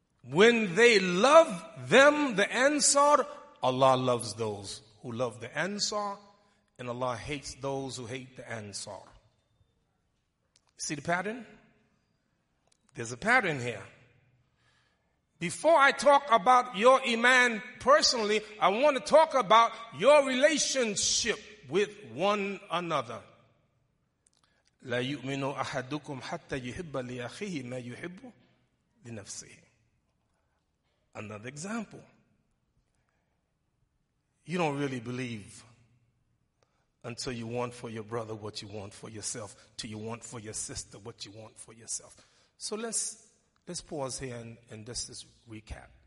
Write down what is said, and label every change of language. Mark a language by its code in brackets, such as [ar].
[en] When they love them, the Ansar, Allah loves those who love the Ansar, and Allah hates those who hate the Ansar. See the pattern? There's a pattern here. Before I talk about your iman personally, I want to talk about your relationship with one another. [ar] لا يؤمن أحدكم حتى يحب لأخيه ما يحب لنفسه. [en] Another example. You don't really believe until you want for your brother what you want for yourself, till you want for your sister what you want for yourself. So let's pause here and just recap.